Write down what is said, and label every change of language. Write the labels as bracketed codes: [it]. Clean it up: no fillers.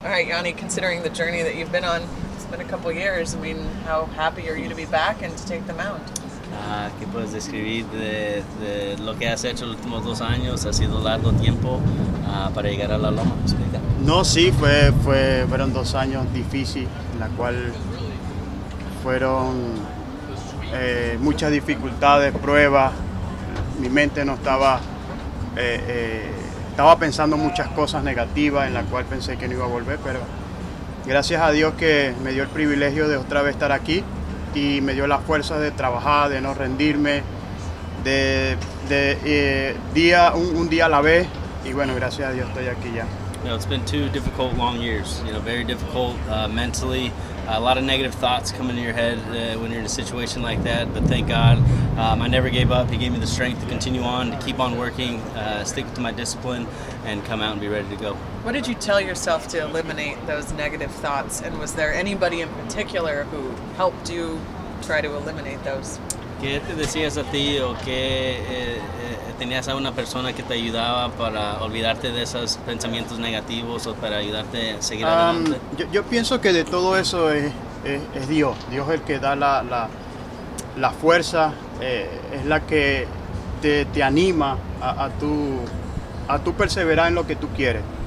[en] right, Yonny, considering the journey that you've been on, it's been a couple of years. I mean, how happy are you to be back and to take the mound? [es] ¿Qué puedes describir de lo que has hecho los últimos dos años? Ha sido largo tiempo para llegar a la loma. No, sí, fueron dos años difíciles, en la cual fueron muchas dificultades, pruebas. Mi mente no estaba, estaba pensando muchas cosas negativas, en la cual pensé que no iba a volver, pero gracias a Dios que me dio el privilegio de otra vez estar aquí. Y me dio la fuerza de trabajar, de no rendirme, un día a la vez, y bueno, gracias a Dios estoy aquí ya. [en] No, it's been two difficult long years, you know, very difficult mentally, a lot of negative thoughts come into your head when you're in a situation like that, but thank God, I never gave up. He gave me the strength to continue on, to keep on working, stick to my discipline, and come out and be ready to go. What did you tell yourself to eliminate those negative thoughts, and was there anybody in particular who helped you try to eliminate those? [es] ¿Qué te decías a ti o qué tenías a una persona que te ayudaba para olvidarte de esos pensamientos negativos o para ayudarte a seguir adelante? Yo pienso que de todo eso es Dios. Dios es el que da la fuerza, es la que te anima a tu perseverar en lo que tú quieres.